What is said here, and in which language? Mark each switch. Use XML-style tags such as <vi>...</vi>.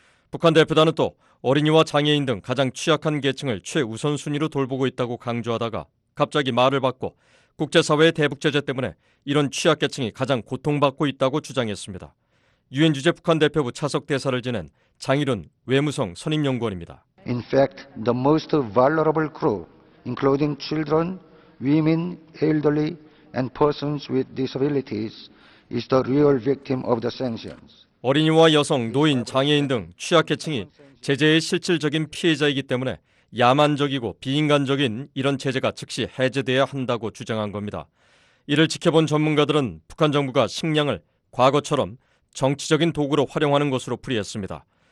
<ko>북한 대표단은 또 어린이와 장애인 등 가장 취약한 계층을 최우선순위로 돌보고 있다고 강조하다가 갑자기 말을 바꿔 국제사회의 대북 제재 때문에 이런 취약계층이 가장 고통받고 있다고 주장했습니다. 유엔 주재 북한 대표부 차석 대사를 지낸 장일훈 외무성 선임 연구원입니다.</ko> <en>In fact, the most vulnerable group, including children, women, elderly, and persons with disabilities, is the real victim of the sanctions.</en> <ko>어린이와 여성, 노인, 장애인 등 취약계층이 제재의 실질적인 피해자이기 때문에 야만적이고 비인간적인 이런 제재가 즉시 해제돼야 한다고 주장한 겁니다. 이를 지켜본 전문가들은 북한 정부가 식량을 과거처럼 정치적인 도구로 활용하는 것으로 풀이했습니다.</ko>